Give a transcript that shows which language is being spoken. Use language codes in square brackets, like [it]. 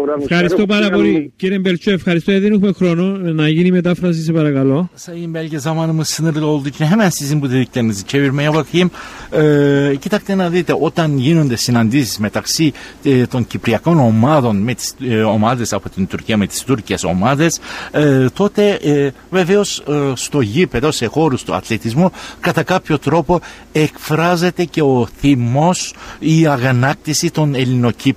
[el] Ευχαριστώ πάρα πολύ, κύριε Μπελτσό. Ευχαριστώ. Δεν έχουμε χρόνο να γίνει η μετάφραση, σε παρακαλώ. [tr] Sayın Belge, zamanımız sınırlı olduğu için hemen sizin bu dediklerinizi çevirmeye bakayım. [el] Κοιτάξτε να δείτε, όταν γίνονται συναντήσεις μεταξύ των κυπριακών ομάδων με τις ομάδες από την Τουρκία, με τις τουρκικές ομάδες, τότε βεβαίως στο γήπεδο, σε χώρους του αθλητισμού, κατά κάποιο τρόπο εκφράζεται και ο θυμός, η αγανάκτηση των ελληνοκυπριακών.